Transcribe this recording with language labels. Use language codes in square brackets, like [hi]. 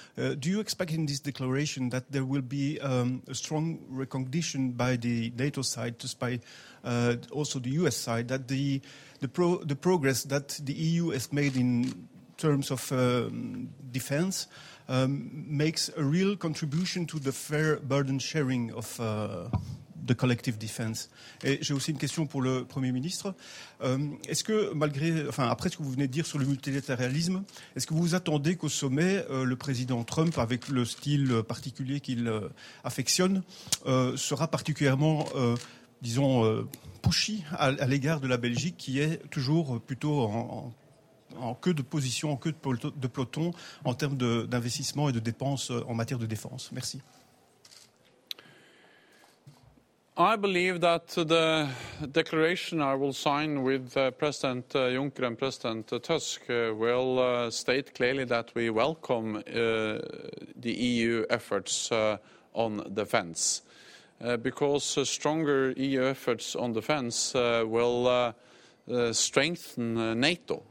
[en] Do you expect in this declaration that there will be a strong recognition by the NATO side, just by also the US side, that the progress that the EU has made in terms of defense makes a real contribution to the fair burden sharing of de collective defense. [fr] Et j'ai aussi une question pour le Premier ministre. Est-ce que, malgré, enfin, après ce que vous venez de dire sur le multilatéralisme, est-ce que vous attendez qu'au sommet, le président Trump, avec le style particulier qu'il affectionne, sera particulièrement, disons, pushy à l'égard de la Belgique, qui est toujours plutôt en queue de position, en queue de peloton, en termes d'investissement et de dépenses en matière de défense? Merci. [en] I believe that the declaration I will sign with President Juncker and President Tusk will state clearly that we welcome the EU efforts on defence, because stronger EU efforts on defence will strengthen NATO.